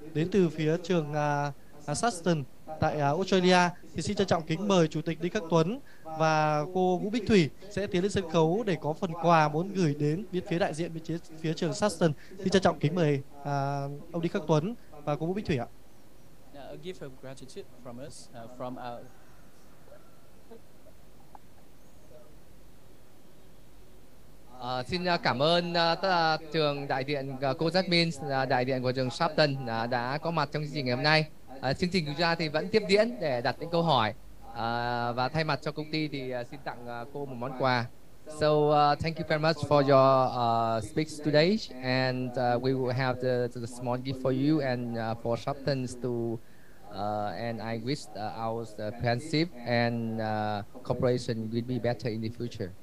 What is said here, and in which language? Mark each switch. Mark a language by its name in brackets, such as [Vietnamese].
[Vietnamese] Đến từ phía trường Saxton tại Australia, thì xin trân trọng kính mời Chủ tịch Đinh Khắc Tuấn và cô Vũ Bích Thủy sẽ tiến lên sân khấu để có phần quà muốn gửi đến phía đại diện bên phía trường Saxton. Xin trân trọng kính mời ông Đinh Khắc Tuấn và cô Vũ Bích Thủy ạ. [English] A gift of gratitude from us, from our... [Vietnamese] Xin cảm ơn trường đại diện cô Jasmine, đại diện của trường Sharpton đã có mặt trong chương trình ngày hôm nay. Chương trình chúng ta thì vẫn tiếp diễn để đặt những câu hỏi. Và thay mặt cho công ty thì xin tặng cô một món quà. [English] So thank you very much for your speech today, and we will have the small gift for you and for Sharpton to and I wish our friendship and cooperation will be better in the future.